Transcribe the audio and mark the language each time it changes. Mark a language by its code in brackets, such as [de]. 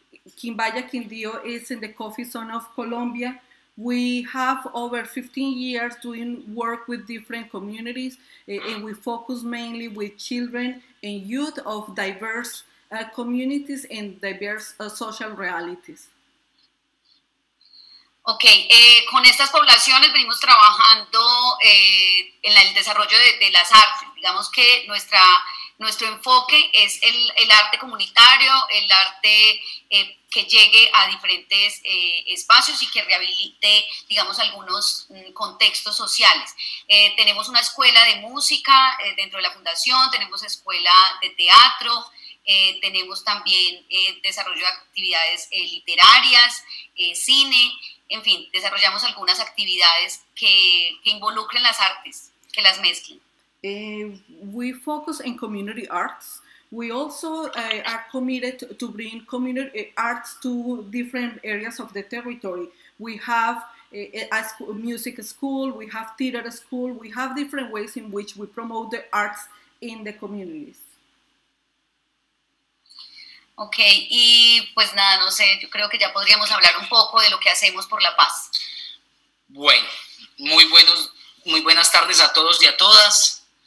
[en] Quimbaya, Quindío is in the coffee zone of Colombia. We have over 15 years doing work with different communities, and we focus mainly with children and youth of diverse communities and diverse social realities. [es] Ok, con estas poblaciones venimos trabajando en el desarrollo de las artes. Digamos que nuestro enfoque es el arte comunitario, el arte que llegue a diferentes espacios y que rehabilite, digamos, algunos contextos sociales. Tenemos una escuela de música dentro de la fundación, tenemos escuela de teatro, tenemos también desarrollo de actividades literarias, cine. En fin, desarrollamos algunas actividades que involucren las artes, que las mezclen. [en] We focus in community arts. We also are committed to bring community arts to different areas of the territory. We have a music school, we have theater school, we have different ways in which we promote the arts in the communities. [es] Ok, y pues nada, no sé, yo creo que ya podríamos hablar un poco de lo que hacemos por la paz. Bueno, muy buenas tardes a todos y a todas.